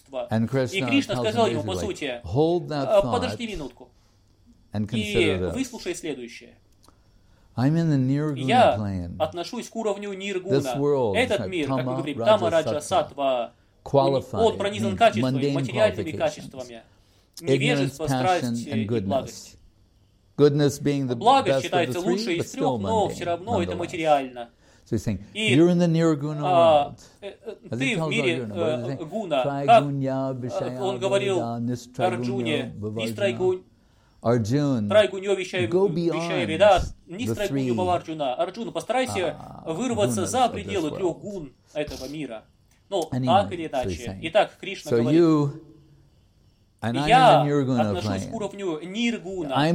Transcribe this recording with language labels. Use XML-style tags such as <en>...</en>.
<en>And Krishna tells him basically, hold that thought and consider this. I'm in the nirguna plane.</en> <ru>Я отношусь к уровню ниргуна.</ru> <en>This world,</en> <ru>этот мир, как мы говорим, тама, раджа, сатва,</ru> <en>qualified,</en> <ru>он пронизан качествами, материальными качествами. Невежество, страсть и благость.</ru> <en>Goodness being the</en> <ru>благость считается</ru> <en>best of the three,</en> <ru>лучшей из трех, но все равно это материально.</ru> <en>So he's saying, you're in the nirguna world. As</en> <ru>ты в мире гуна. Он говорил Арджуне, нистрайгунь. Арджуна, Арджуна, постарайся вырваться за пределы трех гун этого мира. Но так или иначе. Итак, Кришна говорит, я отношусь к уровню ниргуна.</ru>